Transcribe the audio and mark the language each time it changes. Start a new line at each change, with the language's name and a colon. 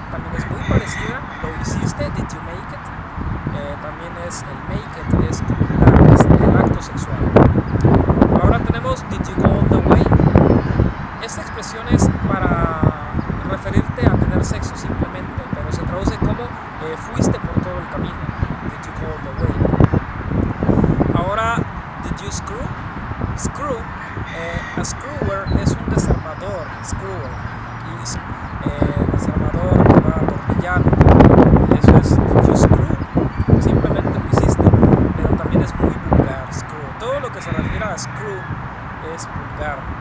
Spanish: También es muy parecida. ¿Lo hiciste?
English: Did you make it?
Spanish: También es el make it, es copular, es el acto sexual. Ahora tenemos,
English: did you go all the way?
Spanish: Esta expresión es para referirte a tener sexo simplemente, pero se traduce como fuiste por todo el camino.
English: Did you go all the way?
Spanish: Ahora,
English: did you screw?
Spanish: Screw, a screwer es un desarmador, screwer, y desarmador que va a atornillar, eso es, you screw, simplemente lo hiciste, pero también es muy vulgar, screw, todo lo que se refiere a screw es vulgar.